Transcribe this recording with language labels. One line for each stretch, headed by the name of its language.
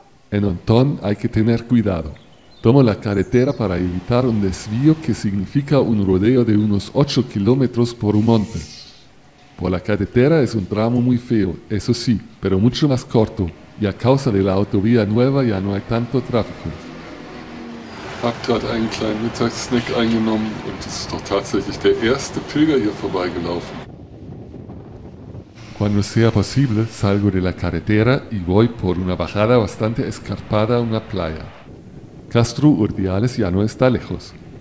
Spanish: En Antón hay que tener cuidado. Tomo la carretera para evitar un desvío que significa un rodeo de unos 8 kilómetros por un monte. Por la carretera es un tramo muy feo, eso sí, pero mucho más corto, y a causa de la autovía nueva ya no hay tanto tráfico.
German: Hab gerade einen kleinen Mittagssnack eingenommen und es ist doch tatsächlich der erste Pilger hier vorbeigelaufen.
Spanish: Cuando sea posible, salgo de la carretera y voy por una bajada bastante escarpada a una playa. Castro Urdiales ya no está lejos.